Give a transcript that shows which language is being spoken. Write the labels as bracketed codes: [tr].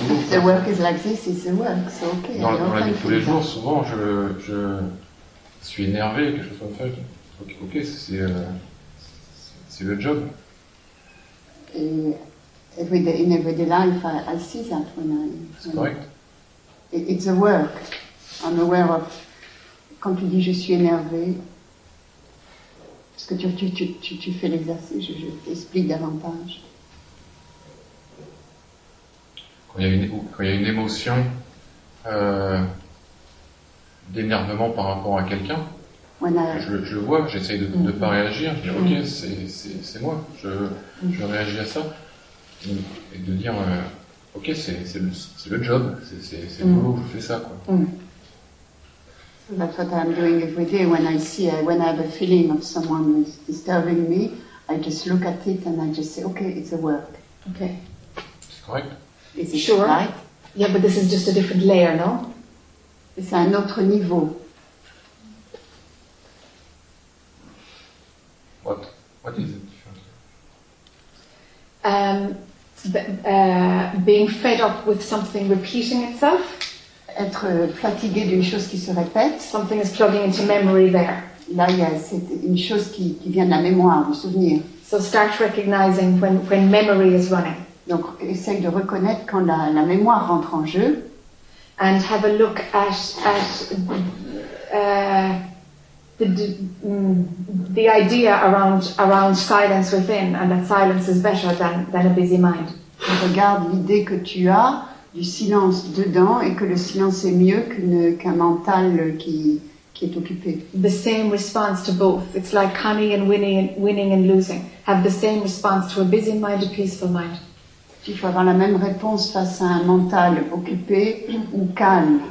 [en] The work is like this, it's the work, so okay. [fr] Dans la vie tous les jours, souvent je suis énervé, quelque chose comme ça. Ok, c'est le job. [en] In everyday life, I see that when I. [fr] C'est correct. [en] It's a work. I'm aware of. [fr] Quand tu dis je suis énervé, parce que tu fais l'exercice, je t'explique davantage. Quand il y a une émotion d'énervement par rapport à quelqu'un, je le vois, j'essaye de ne pas réagir, je dis ok, c'est moi, je réagis à ça, et de dire ok, c'est le job, c'est le boulot, je fais ça quoi. [en] So that's what I'm doing every day when I see when I have a feeling of someone is disturbing me, I just look at it and I just say ok, it's a work. Ok. [fr] C'est correct. [en] Is it sure? Right? Yeah, but this is just a different layer, no? [fr] C'est un autre niveau. [en] What is the difference? Being fed up with something repeating itself. [fr] Être fatigué d'une chose qui se répète. [en] Something is plugging into memory there. [fr] Là, il y a cette, une chose qui vient de la mémoire, du souvenir. [en] So start recognizing when memory is running. [fr] Donc, essaye de reconnaître quand la mémoire rentre en jeu. [en] And have a look at the idea around silence within, and that silence is better than a busy mind. [fr] Et regarde l'idée que tu as du silence dedans et que le silence est mieux qu'un mental qui est occupé. [en] The same response to both. It's like Connie and winning and losing. Have the same response to a busy mind, a peaceful mind. [fr] Il faut avoir la même réponse face à un mental occupé ou calme.